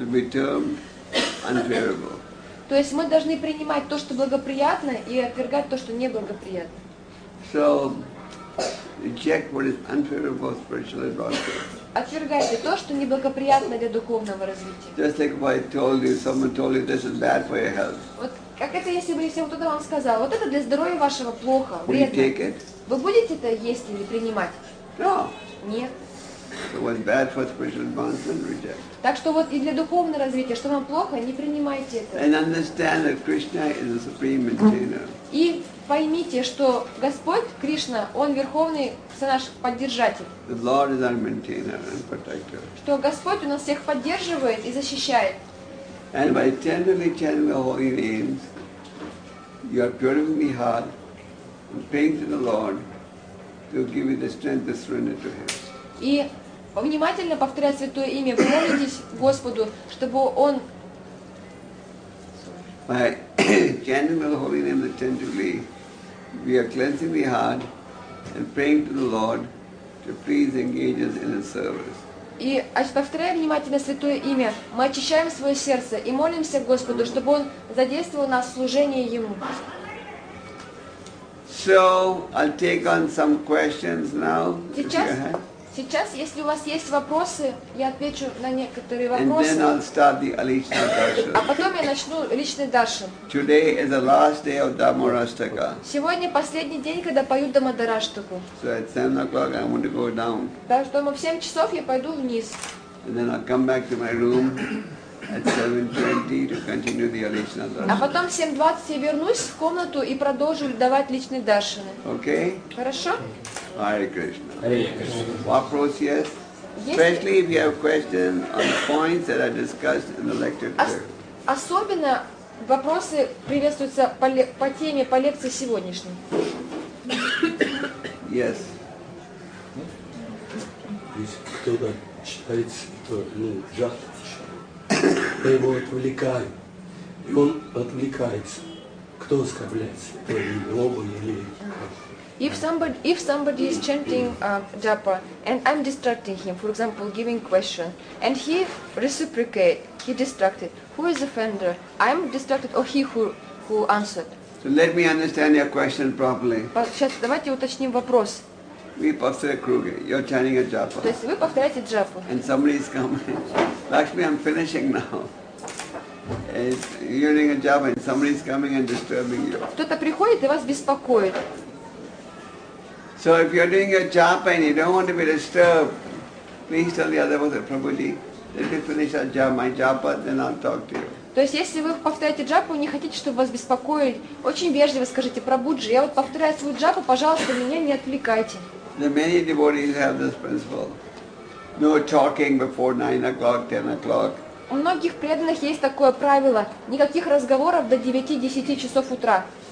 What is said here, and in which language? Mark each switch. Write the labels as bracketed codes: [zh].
[ru] То есть мы должны принимать то, что благоприятно, и отвергать то, что неблагоприятно. [en] Reject what is unfavorable spiritual advancement. [ru] Отвергайте то, что неблагоприятно для духовного развития. [en] Just like if I told you, someone told you this is bad for your health. [ru] Вот как это, если бы кто-то вам сказал, вот это для здоровья вашего плохо, вредно. [en] Will you take it? [ru] Вы будете это есть или принимать? [en] No. [ru] Нет. [en] So what's bad for spiritual advancement, reject. [ru] Так что вот и для духовного развития, что вам плохо, не принимайте это. [en] And understand that Krishna is the supreme maintainer. [ru] И поймите, что Господь Кришна, Он верховный наш поддержатель. [en] The Lord is our maintainer and protector. [ru] Что Господь у нас всех поддерживает и защищает. [en] And by tenderly chanting the holy names, you are purifying the heart and praying to the Lord to give you the strength to surrender to Him. [ru] И внимательно повторяя святое имя, вы молитесь Господу, чтобы Он [en] by chanting the holy name attentively, we are cleansing the heart and praying to the Lord to please engage us in His service. [ru] И повторяя внимательно святое имя, мы очищаем свое сердце и молимся Господу, чтобы Он задействовал нас в служении Ему. [en] So I'll take on some questions now. [ru] Сейчас, если у вас есть вопросы, я отвечу на некоторые вопросы. [en] And then I'll start the личный даршан. [ru] А потом я начну личный даршан. [en] Today is the last day of Дамараштака. [ru] Сегодня последний день, когда поют Дамараштаку. [en] So at 7 o'clock I'm going to go down. [ru] Так что в 7 часов я пойду вниз. [en] And then I'll come back to my room at 7:20 to continue the личный даршан. [ru] А потом в 7:20 я вернусь в комнату и продолжу давать личные даршаны. [en] Okay. [ru] Хорошо. [en] Hare Krishna. Hare Krishna. Yes. Especially if you have questions on the points that are discussed in the lecture today. [ru] Особенно вопросы приветствуются по теме, по лекции сегодняшней. [en] Yes. [ru] Если кто-то читает святое, жахты читает, то его отвлекают. И он отвлекается. Кто оскорбляется? То ли Бога, или... [en] If somebody is chanting japa and I'm distracting him, for example, giving question, and he reciprocate, he distracted. Who is offender? I'm distracted, or he who answered? So let me understand your question properly. [ru] But сейчас давайте уточним вопрос. [en] We [ru] повторяем круг. [en] You're chanting a japa. [ru] То есть вы повторяете джапу. [en] And somebody is coming. Lakshmi, I'm finishing now. And you're doing a japa, and somebody is coming and disturbing you. [ru] Кто-то приходит и вас беспокоит. [en] So if you're doing your japa and you don't want to be disturbed, please tell the other one that Prabhuji, let me finish our japa, my japa, then I'll talk to you. [ru] То есть если вы повторяете джапу, не хотите, чтобы вас беспокоили, очень вежливо скажите, Прабуджи, я вот повторяю свою джапу, пожалуйста, меня не отвлекайте. [en] The many devotees have this principle. No talking before 9 o'clock, 10 o'clock. [ru] У многих преданных есть такое правило, никаких разговоров до 9-10 часов утра.